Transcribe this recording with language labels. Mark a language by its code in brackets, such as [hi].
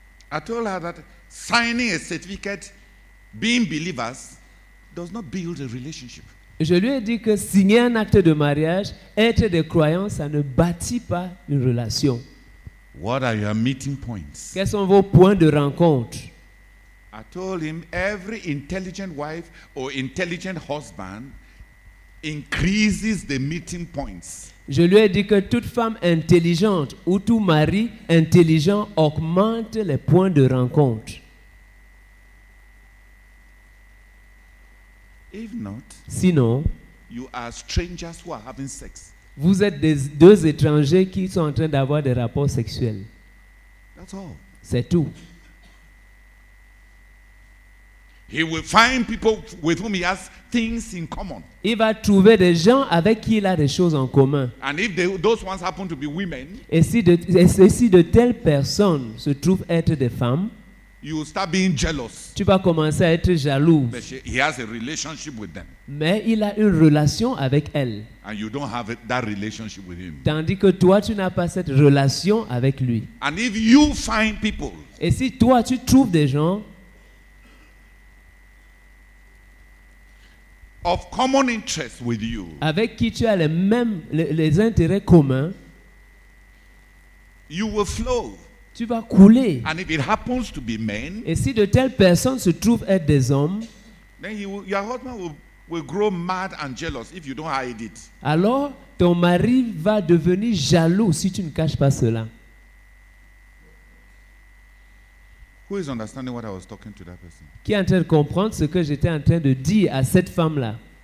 [en] I told her that signing a certificate, being believers, does not build a relationship. [fr] Je lui ai dit que signer un acte de mariage, être des croyants, ça ne bâtit pas une relation. [en] What are your meeting points? [fr] Quels sont vos points de rencontre? [en] I told him every intelligent wife or intelligent husband increases the meeting points. [fr] Je lui ai dit que toute femme intelligente ou tout mari intelligent augmente les points de rencontre. [en] If not, [fr] sinon, [en] you are strangers who are having sex. [fr] Vous êtes deux étrangers qui sont en train d'avoir des rapports sexuels. [en] That's all. [fr] C'est tout. [en] He will find people with whom he has things in common. [fr] Il va trouver des gens avec qui il a des choses en commun. [en] And if those ones happen to be women, [fr] et si de telles personnes se trouvent être des femmes, [en] you will start being jealous. [fr] Tu vas commencer à être jaloux. [en] But he has a relationship with them. [fr] Mais il a une relation avec elles. [en] And you don't have that relationship with him. [fr] Tandis que toi, tu n'as pas cette relation avec lui. [en] And if you find people, [fr] et si toi, tu trouves des gens [en] of common interest with you, [fr] avec qui tu as les mêmes intérêts communs, [en] you will flow. [fr] Tu vas couler. [en] And if it happens to be men, [fr] et si de telles personnes se trouvent être des hommes, [en] then your husband will grow mad and jealous if you don't hide it. [fr] Alors ton mari va devenir jaloux si tu ne caches pas cela. [en] Who is understanding what I was talking to that person? [fr] Qui est en train de comprendre ce que j'étais en train de dire à cette femme-là?